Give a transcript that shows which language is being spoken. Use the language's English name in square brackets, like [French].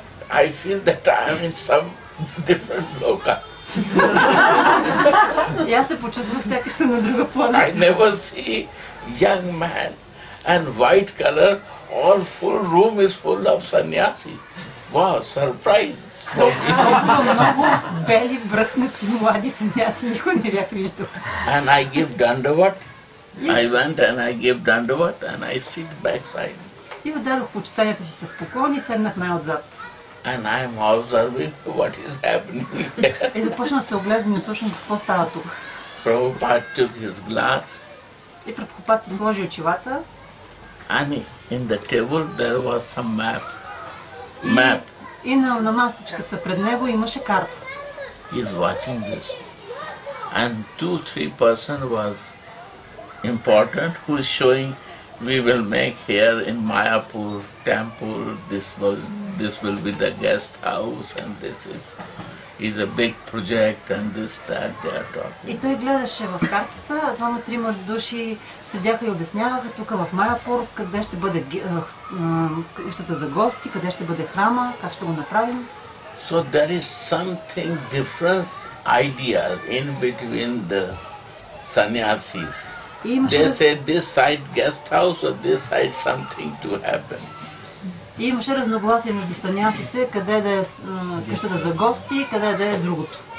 [English] I feel that I am in some different loka. [Bulgarian] И аз се почувствах сякаш съм на друга планета. [English] I never see young man. And white color, all full room is full of sannyasi. Wow, surprise for me. [Bulgarian] Много бели, бръснати, млади сannyasi, никой не бях виждал. [English] And I give dandavat. I went and I give dandavat and I sit backside. [Bulgarian] И отдадох почитанията си с поклон и седнах най-отзад. [English] And I'm observing what is happening here. [Bulgarian] И започна да се оглеждам и слушам какво става тук. [English] Prabhupada took his glass. [Bulgarian] И Прабхупад си сложи очилата. [English] And in the table there was some map. [Bulgarian] И на масичката пред него имаше карта. [English] He's watching this. And two, three person was important who is showing we will make here in Mayapur temple. This will be the guest house and this is a big project and this that they are talking. [Bulgarian] И той гледаше в картата, а двама трима души седяха и обясняваха тук в Майапур, къде ще бъде къщата за гости, къде ще бъде храма, как ще го направим. [English] So there is something different ideas in between the sannyasis. They said this side guest house or this side something to happen. [Bulgarian] И имаше разногласие между санясите, къде да е къщата за гости, къде да е другото.